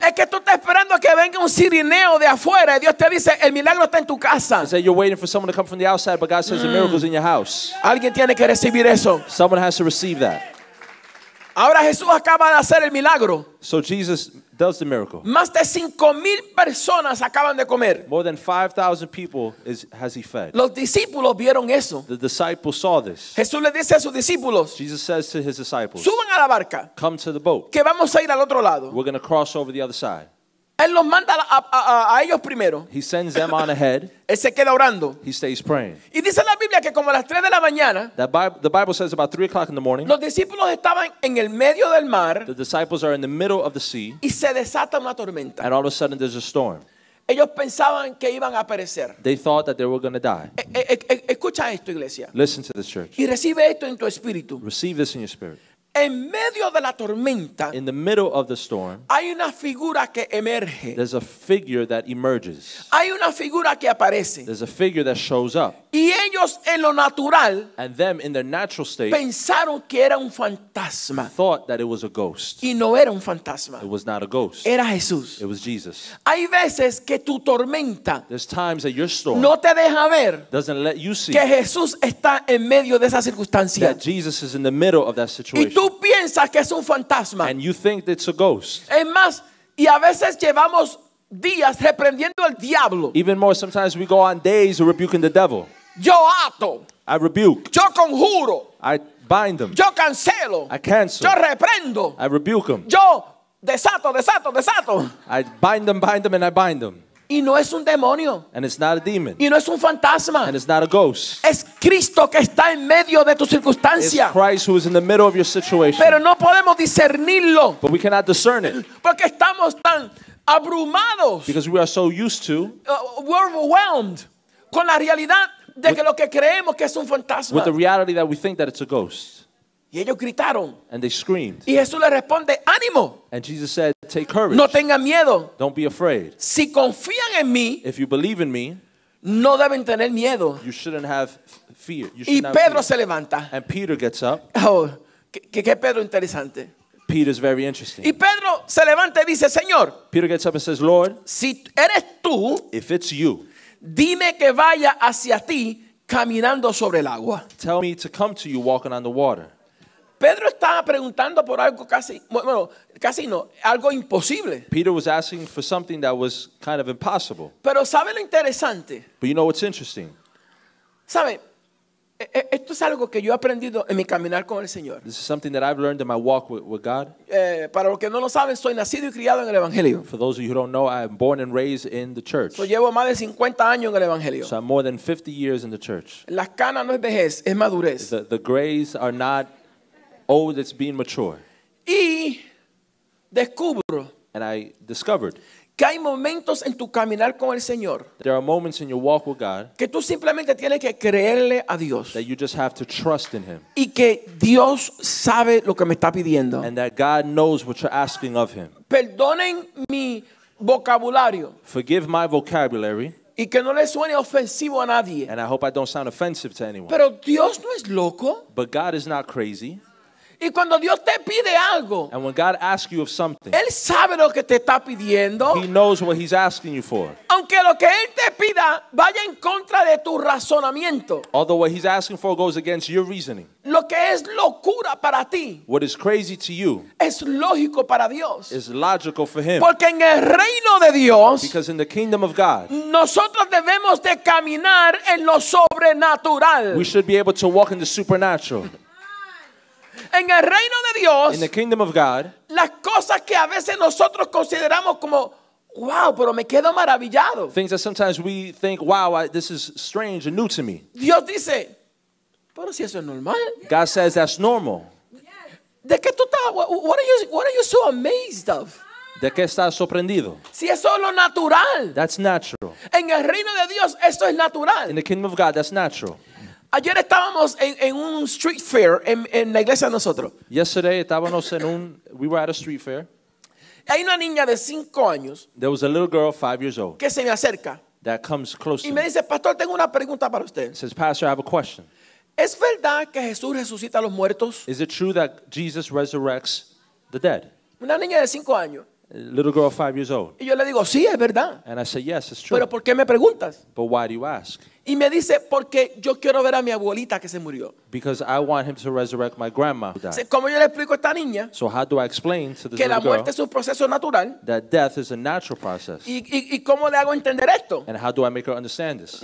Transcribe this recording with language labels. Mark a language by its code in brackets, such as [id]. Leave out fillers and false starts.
[es] Es que tú estás esperando que venga un sirineo de afuera y Dios te dice el milagro está en tu casa. [en] You say you're waiting for someone to come from the outside, but God says the miracle is in your house. [es] Alguien tiene que recibir eso. [en] Someone has to receive that. [es] Ahora Jesús acaba de hacer el milagro. [en] So Jesus does the miracle. [es] Más de 5,000 personas acaban de comer. [en] More than 5,000 people has he fed. [es] Los discípulos vieron eso. [en] The disciples saw this. [es] Jesús le dice a sus discípulos. [en] Jesus says to his disciples. [es] Suban a la barca. [en] Come to the boat. [es] Que vamos a ir al otro lado. [en] We're going to cross over the other side. [es] Él los manda a ellos primero. [en] He sends them on ahead. [es] Él se queda orando. [en] He stays praying. [es] Y dice la Biblia que como a las 3 de la mañana. [en] The Bible says about 3 o'clock in the morning. [es] Los discípulos estaban en el medio del mar. [en] The disciples are in the middle of the sea. [es] Y se desata una tormenta. [en] And all of a sudden there's a storm. [es] Ellos pensaban que iban a perecer. [en] They thought that they were going to die. [es] Escucha esto, iglesia. [en] Listen to this, church. [es] Y recibe esto en tu espíritu. [en] Receive this in your spirit. [es] En medio de la tormenta, [en] in the middle of the storm, [es] hay una figura que emerge. [en] There's a figure that emerges. [es] Hay una figura que aparece. [en] There's a figure that shows up. [es] Y ellos en lo natural, [en] and them in their natural state, [es] pensaron que era un fantasma. [en] Thought that it was a ghost. [es] Y no era un fantasma. [en] It was not a ghost. [es] Era Jesús. [en] It was Jesus. [es] Hay veces que tu tormenta, [en] there's times that your storm, [es] no te deja ver, [en] doesn't let you see, [es] que Jesús está en medio de esa circunstancia. [en] That Jesus is in the middle of that situation. [es] Tú piensas que es un fantasma. [en] And you think it's a ghost. [es] Es más, y a veces llevamos días reprendiendo al diablo. [en] Even more, sometimes we go on days rebuking the devil. [es] Yo ato. [en] I rebuke. [es] Yo conjuro. [en] I bind them. [es] Yo cancelo. [en] I cancel. [es] Yo reprendo. [en] I rebuke them. [es] Yo Desato, desato, desato. [en] I bind them, and I bind them. [es] Y no es un demonio. [en] And it's not a demon. [es] Y no es un fantasma. [en] And it's not a ghost. [es] Es Cristo que está en medio de tu circunstancia. [en] It's Christ who is in the middle of your situation. [es] Pero no podemos discernirlo. [en] But we cannot discern it. [es] Porque estamos tan abrumados. [en] Because we are so used to. We're overwhelmed [es] con la realidad de que lo que creemos que es un fantasma. [en] With the reality that we think that it's a ghost. [es] Y ellos gritaron. [en] And they screamed. [es] Y Jesús le responde, ánimo. [en] And Jesus said, take courage. [es] No tengan miedo. [en] Don't be afraid. [es] Si confían en mí. [en] If you believe in me. [es] No deben tener miedo. [en] You shouldn't have fear. You [es] y Pedro se levanta. [en] And Peter gets up. [es] Oh, qué Pedro interesante. [en] Peter's very interesting. [es] Y Pedro se levanta y dice, Señor. [en] Peter gets up and says, Lord. [es] Si eres tú. [en] If it's you. [es] Dime que vaya hacia ti caminando sobre el agua. [en] Tell me to come to you walking on the water. [es] Pedro estaba preguntando por algo casi, bueno, casi no, algo imposible. [en] Peter was asking for something that was kind of impossible. [es] Pero ¿sabe lo interesante? [en] But you know what's interesting? [es] ¿Sabe? Esto es algo que yo he aprendido en mi caminar con el Señor. [en] This is something that I've learned in my walk with God. [es] Para los que no lo saben, soy nacido y criado en el Evangelio. [en] For those of you who don't know, I am born and raised in the church. [es] So llevo más de 50 años en el Evangelio. [en] So I'm more than 50 years in the church. [es] Las canas no es vejez, es madurez. [en] The grays are not old, it's being mature. [es] Y descubro. [en] And I discovered. [es] Que hay momentos en tu caminar con el Señor. [en] There are moments in your walk with God. [es] Que tú simplemente tienes que creerle a Dios. [en] That you just have to trust in Him. [es] Y que Dios sabe lo que me está pidiendo. [en] And that God knows what you're asking of Him. [es] Perdonen mi vocabulario. [en] Forgive my vocabulary. [es] Y que no le suene ofensivo a nadie. [en] And I hope I don't sound offensive to anyone. [es] Pero Dios no es loco. [en] But God is not crazy. [es] Y cuando Dios te pide algo, [en] and when God asks you of something, [es] Él sabe lo que te está pidiendo. [en] He knows what He's asking you for. [es] Aunque lo que Él te pida vaya en contra de tu razonamiento. [en] Although what He's asking for goes against your reasoning. [es] Lo que es locura para ti, [en] what is crazy to you, [es] es lógico para Dios. [en] Is logical for Him. [es] Porque en el reino de Dios, [en] because in the kingdom of God, [es] nosotros debemos de caminar en lo sobrenatural. [en] We should be able to walk in the supernatural. [es] En el reino de Dios, [en] in the kingdom of God, [es] las cosas que a veces nosotros consideramos como wow, pero me quedo maravillado. [en] Things that sometimes we think, wow, this is strange and new to me. [es] Dios dice, pero si eso es normal. [en] God says that's normal. [es] ¿De qué tú estás? [en] What are you so amazed of? [es] ¿De qué estás sorprendido? Si eso es lo natural. [en] That's natural. [es] En el reino de Dios, esto es natural. [en] In the kingdom of God, that's natural. [es] Ayer estábamos en un street fair en la iglesia de nosotros. [en] Yesterday [es] estábamos en un, [en] we were at a street fair. [es] Hay una niña de 5 años. [en] There was a little girl 5 years old. [es] Que se me acerca. [en] That comes close. [es] Y me dice, pastor, tengo una pregunta para usted. [en] Says, pastor, I have a question. [es] ¿Es verdad que Jesús resucita a los muertos? [en] Is it true that Jesus resurrects the dead? [es] Una niña de 5 años. [en] A little girl 5 years old. [es] Y yo le digo, sí, es verdad. [en] And I say, yes, it's true. [es] ¿Pero por qué me preguntas? [en] But why do you ask? [es] Y me dice, porque yo quiero ver a mi abuelita que se murió. [en] Because I want him to resurrect my grandma. [es] ¿Cómo yo le explico a esta niña? [en] So how do I explain to this [es] que la muerte es un proceso natural. [en] That death is a natural process. [es] ¿Y cómo le hago entender esto? [en] And how do I make her understand this?